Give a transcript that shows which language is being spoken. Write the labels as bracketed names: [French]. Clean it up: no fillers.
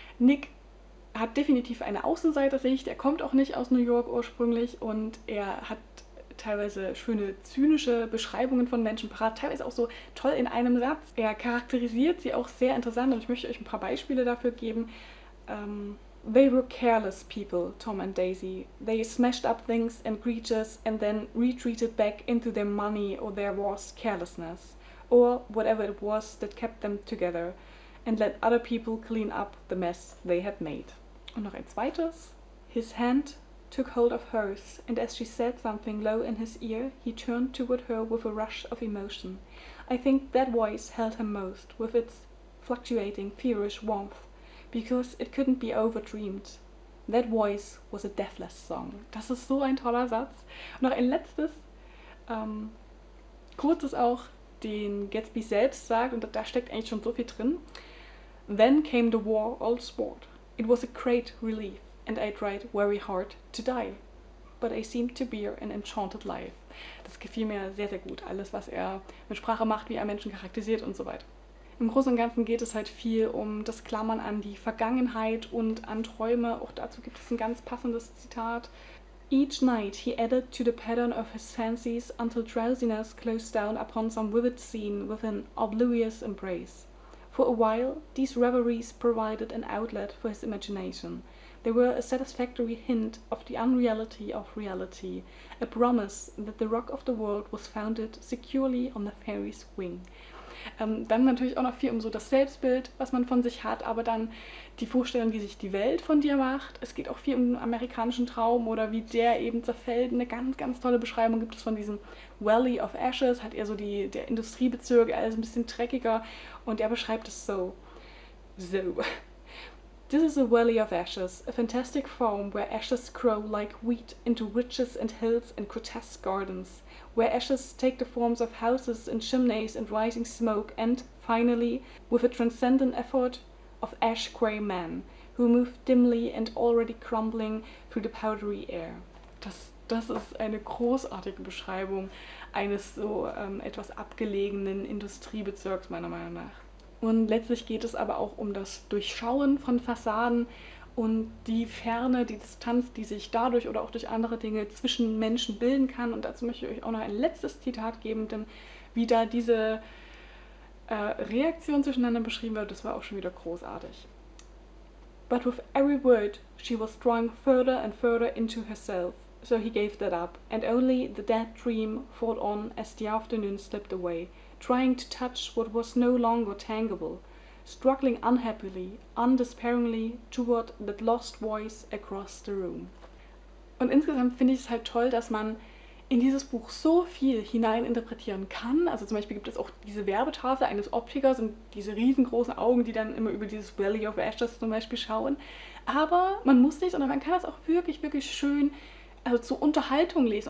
[German] Nick hat definitiv eine Außenseitersicht. Er kommt auch nicht aus New York ursprünglich und er hat teilweise schöne, zynische Beschreibungen von Menschen parat, teilweise auch so toll in einem Satz. Er charakterisiert sie auch sehr interessant und ich möchte euch ein paar Beispiele dafür geben. [English] They were careless people, Tom and Daisy. They smashed up things and creatures and then retreated back into their money or their worst carelessness or whatever it was that kept them together and let other people clean up the mess they had made. [German] Und noch ein zweites. [English] His hand took hold of hers and as she said something low in his ear, he turned toward her with a rush of emotion. I think that voice held him most with its fluctuating, feverish warmth. Because it couldn't be overdreamed. That voice was a deathless song. [German] Das ist so ein toller Satz. Und noch ein letztes, kurzes auch, den Gatsby selbst sagt, und da steckt eigentlich schon so viel drin. [English] Then came the war, all sport. It was a great relief, and I tried very hard to die. But I seemed to bear an enchanted life. [German] Das gefiel mir sehr, sehr gut, alles, was er mit Sprache macht, wie er Menschen charakterisiert und so weiter. Im Großen und Ganzen geht es halt viel um das Klammern an die Vergangenheit und an Träume. Auch dazu gibt es ein ganz passendes Zitat. [English] Each night he added to the pattern of his fancies until drowsiness closed down upon some vivid scene with an oblivious embrace. For a while these reveries provided an outlet for his imagination. They were a satisfactory hint of the unreality of reality, a promise that the rock of the world was founded securely on the fairy's wing. [German] Dann natürlich auch noch viel um so das Selbstbild, was man von sich hat, aber dann die Vorstellung, wie sich die Welt von dir macht. Es geht auch viel um den amerikanischen Traum oder wie der eben zerfällt. Eine ganz, ganz tolle Beschreibung gibt es von diesem Valley of Ashes, hat eher so der Industriebezirk, alles ein bisschen dreckiger und er beschreibt es so. So. [English] This is a valley of ashes, a fantastic form where ashes grow like wheat into ridges and hills and grotesque gardens, where ashes take the forms of houses and chimneys and rising smoke, and finally, with a transcendent effort, of ash-gray men who move dimly and already crumbling through the powdery air. [German] Das ist eine großartige Beschreibung eines so etwas abgelegenen Industriebezirks, meiner Meinung nach. Und letztlich geht es aber auch um das Durchschauen von Fassaden und die Ferne, die Distanz, die sich dadurch oder auch durch andere Dinge zwischen Menschen bilden kann. Und dazu möchte ich euch auch noch ein letztes Zitat geben, denn wie da diese Reaktion zueinander beschrieben wird, das war auch schon wieder großartig. [English] But with every word she was drawing further and further into herself. So he gave that up. And only the dead dream fought on as the afternoon slipped away. Trying to touch what was no longer tangible, struggling unhappily, undespairingly toward that lost voice across the room. [German] Und insgesamt finde ich es halt toll, dass man in dieses Buch so viel hineininterpretieren kann. Also zum Beispiel gibt es auch diese Werbetafel eines Optikers und diese riesengroßen Augen, die dann immer über dieses Valley of Ashes zum Beispiel schauen. Aber man muss nicht, sondern man kann das auch wirklich, wirklich schön, also zur Unterhaltung lesen.